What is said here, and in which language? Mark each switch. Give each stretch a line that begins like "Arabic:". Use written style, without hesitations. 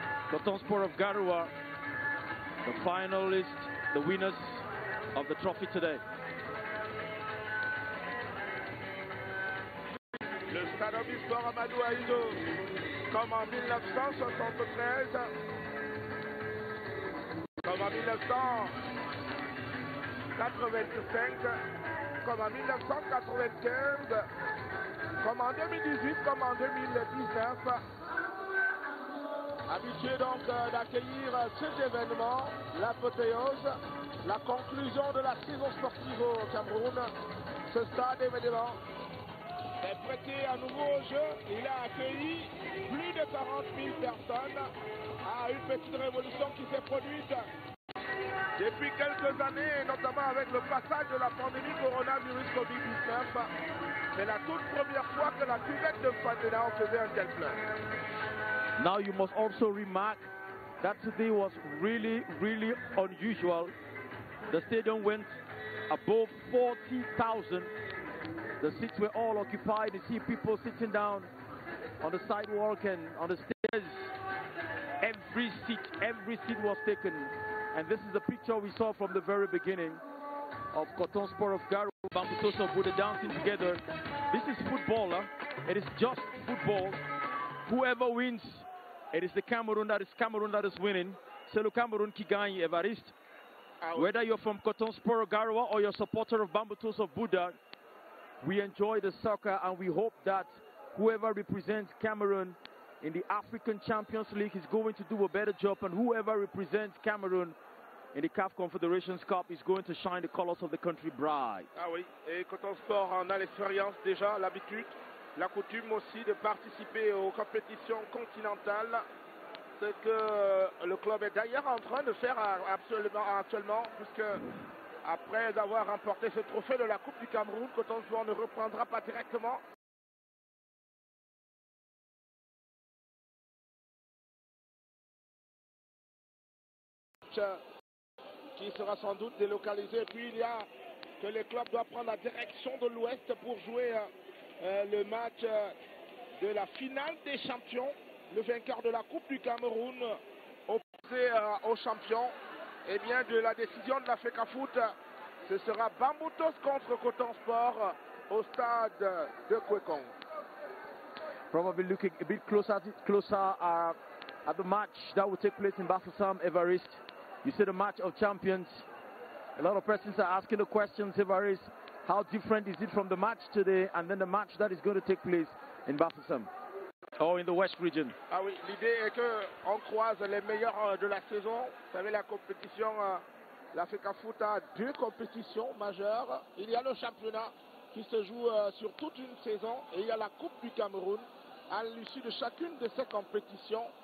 English: Coton Sport of Garoua, the finalists, the winners of the trophy today.
French: Le stade Omnisport Amadou Ahidjo, comme en 1973, comme en 1985, comme en 1995, comme en 2018, comme en 2019, habitué donc d'accueillir cet événement, l'apothéose, la conclusion de la saison sportive au Cameroun, ce stade événement. Est prêté à nouveau au jeu, il a accueilli plus de 40 000 personnes à une petite révolution qui s'est produite depuis quelques années, notamment avec le passage de la pandémie coronavirus COVID-19. C'est la toute première fois que la cuvette de Fandena faisait un tel plein.
English: Now you must also remark that today was really, really unusual. The stadium went above 40,000. The seats were all occupied. You see people sitting down on the sidewalk and on the stairs. Every seat was taken. And this is the picture we saw from the very beginning of Coton Sport of Garoua, Bamboutos of Bouda dancing together. This is football, huh? It is just football. Whoever wins, it is the Cameroun that is winning.
French: C'est le Cameroun qui gagne,
English: Evariste. Whether you're from Coton Sport of Garoua or you're a supporter of Bamboutos of Bouda, we enjoy the soccer and we hope that whoever represents Cameroun in the African Champions League is going to do a better job, and whoever represents Cameroun in the CAF Confederations Cup is going to shine the colors of the country bright.
French: Ah oui, et Coton Sport en a l'expérience déjà, l'habitude, la coutume aussi de participer aux compétitions continentales, ce que le club est d'ailleurs en train de faire actuellement, puisque après avoir remporté ce trophée de la Coupe du Cameroun, Coton Sport ne reprendra pas directement. Qui sera sans doute délocalisé. Puis il y a que les clubs doivent prendre la direction de l'Ouest pour jouer le match de la finale des champions. Le vainqueur de la Coupe du Cameroun opposé aux champions. Et bien de la décision de la FECAFOOT, ce sera Bamboutos contre Coton Sport au stade de Kwekong.
English: Probably looking a bit closer at the match that will take place in Bafoussam, Evariste. You see the match of champions. A lot of persons are asking the questions, Evariste, how different is it from the match today and then the match that is going to take place in Bafoussam or in the West region?
French: Ah oui, l'idée est que on croise les meilleurs de la saison. Vous savez, la compétition, la FECAFOOT a deux compétitions majeures. Il y a le championnat qui se joue sur toute une saison et il y a la Coupe du Cameroun. À l'issue de chacune de ces compétitions,